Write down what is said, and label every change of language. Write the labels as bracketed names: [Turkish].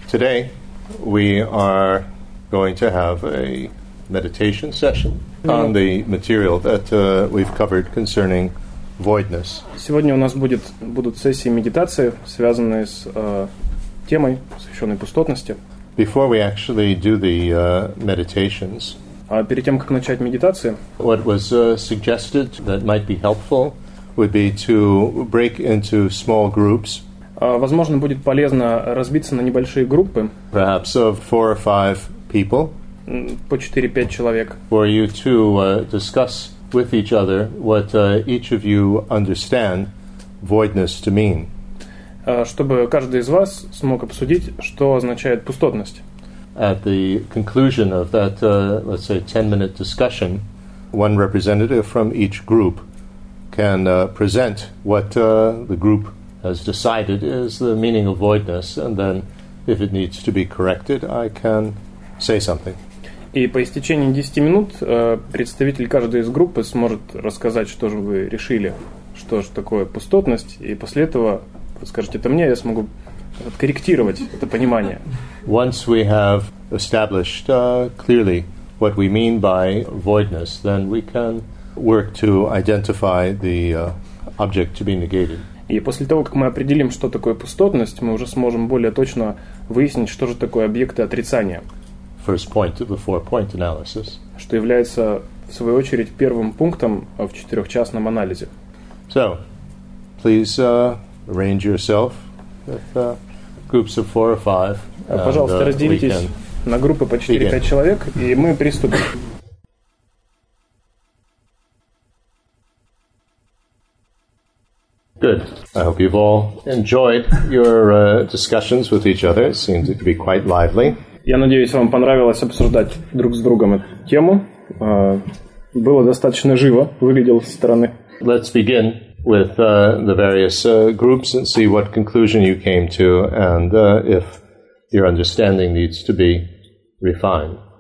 [English] Today, we are going to have a meditation session on the material that we've covered concerning voidness. [Russian] Сегодня у нас будут сессии медитации, связанные с темой, посвященной пустотности. [English] Before we actually do the meditations, [Russian] перед тем, как начать медитации, [English] what was suggested that might be helpful would be to break into small groups. [Russian] Возможно, будет полезно разбиться на небольшие группы. [English] Perhaps of four or five people. [Russian] По 4-5 человек. [English] For you to discuss with each other what each of you understand voidness to mean. [Russian] Чтобы каждый из вас смог обсудить, что означает пустотность. [English] At the conclusion of that, let's say, 10-minute discussion, one representative from each group can present what the group has decided is the meaning of voidness, and then if it needs to be corrected, I can say something. [Russian] И по истечении 10 минут представитель каждой из группы сможет рассказать, что же вы решили, что же такое пустотность, и после этого вы скажете это мне, я смогу откорректировать это понимание. [English] Once we have established clearly what we mean by voidness, then we can work to identify the object to be negated. [Russian] И после того, как мы определим, что такое пустотность, мы уже сможем более точно выяснить, что же такое объекты отрицания. [English] First point of the four-point analysis. [Russian] Что является, в свою очередь, первым пунктом в четырехчастном анализе. [English] So, please arrange yourself with groups of four or five. [Russian] Пожалуйста, разделитесь на группы по 4-5 человек, и мы приступим. [English] Good. I hope you've all enjoyed your discussions with each other. It seems to be quite lively. [Russian] Я надеюсь, вам понравилось обсуждать друг с другом эту тему. Было достаточно живо, выглядело со стороны. [English] Let's begin with the various groups and see what conclusion you came to and if your understanding needs to be refined.